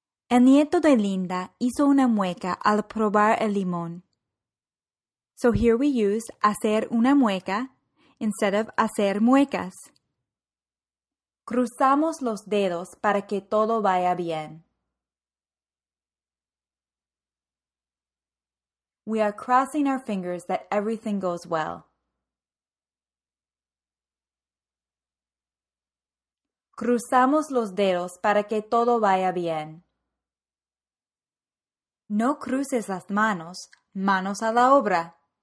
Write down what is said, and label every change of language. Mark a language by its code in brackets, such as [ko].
[es] El nieto de Linda hizo una mueca al probar el limón. [en] So here we use [es] hacer una mueca [en] instead of [es] hacer muecas. Cruzamos los dedos para que todo vaya bien. [en] We are crossing our fingers that everything goes well. [es] Cruzamos los dedos para que todo vaya bien. No cruces las manos, manos a la obra.